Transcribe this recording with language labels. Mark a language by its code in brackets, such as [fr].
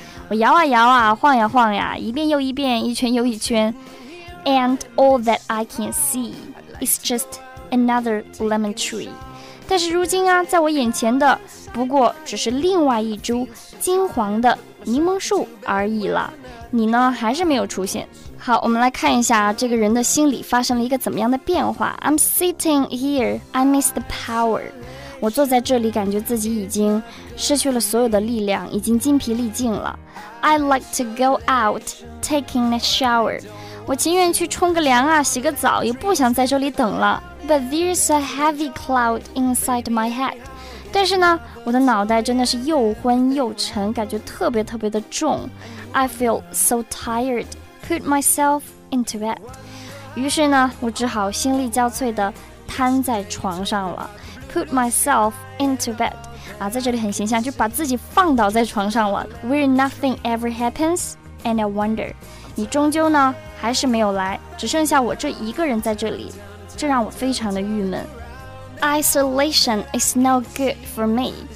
[zh] 我摇啊摇啊，晃呀晃呀，一遍又一遍，一圈又一圈。 [en] And all that I can see is just another lemon tree. [zh] 但是如今啊，在我眼前的不过只是另外一株金黄的柠檬树而已了，你呢还是没有出现。好，我们来看一下这个人的心理发生了一个怎么样的变化。 [en] I'm sitting here, I miss the power. [zh] 我坐在这里感觉自己已经失去了所有的力量，已经精疲力尽了。 [en] I like to go out, taking a shower. [zh] 我情愿去冲个凉啊，洗个澡，也不想在这里等了。 [en] But there's a heavy cloud inside my head. [zh] 但是呢，我的脑袋真的是又昏又沉，感觉特别特别的重。 [en] I feel so tired. Put myself into it. [zh] 于是呢，我只好心力交瘁地瘫在床上了。 [en] Put myself into bed. [zh] 啊，在这里很形象，就把自己放倒在床上了。 [en] Where nothing ever happens, and I wonder. [zh] 你终究呢，还是没有来，只剩下我这一个人在这里，这让我非常的郁闷。 [en] Isolation is no good for me.